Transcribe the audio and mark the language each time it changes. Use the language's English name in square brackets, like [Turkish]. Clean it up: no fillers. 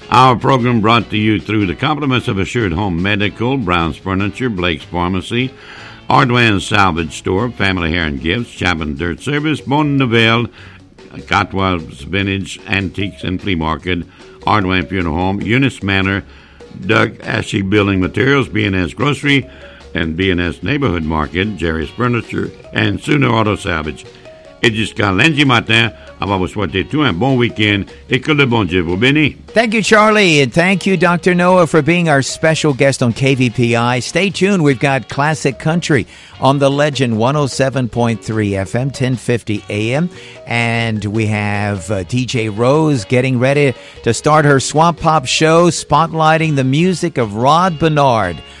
[English] Our program brought to you through the compliments of Assured Home Medical, Brown's Furniture, Blake's Pharmacy, Ardwan's Salvage Store, Family Hair and Gifts, Chapman Dirt Service, Bon Nouvelle, Gatwa's Vintage Antiques and Flea Market, Ardwan Funeral Home, Eunice Manor, Doug Ashley Building Materials, B&S Grocery, and B&S Neighborhood Market, Jerry's Furniture, and Sooner Auto Salvage. [French] Et jusqu'à lundi matin, on va vous souhaiter tout un bon week-end et que le bon Dieu vous bénisse. [English] Thank you, Charlie, and thank you, Dr. Noah, for being our special guest on KVPI. Stay tuned. We've got Classic Country on The Legend, 107.3 FM, 1050 AM. And we have DJ Rose getting ready to start her Swamp Pop show, spotlighting the music of Rod Bernard.